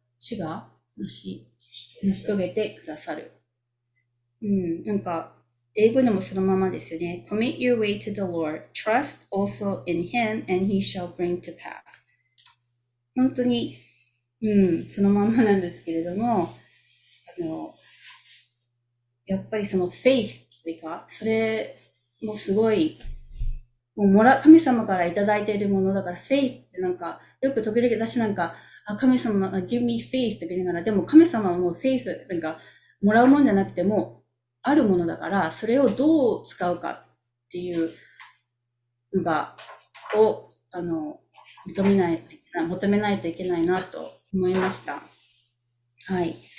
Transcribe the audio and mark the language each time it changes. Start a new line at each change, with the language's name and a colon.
Japanese: 主が成し遂げてくださる。うん、なんか、英語でもそのままですよね。
English: Commit your way to the Lord. Trust also in Him and He shall bring to pass.
Japanese: 本当に、うん、そのままなんですけれども、やっぱりその faith というか、それもすごい、もう神様からいただいているものだから、faith ってなんか、よく時々私なんか、あ、神様、 give me faith って言いながら、でも神様はもう faith、なんか、もらうもんじゃなくても、あるものだから、それをどう使うかっていうのが、を、求めないといけないなと思いました。はい。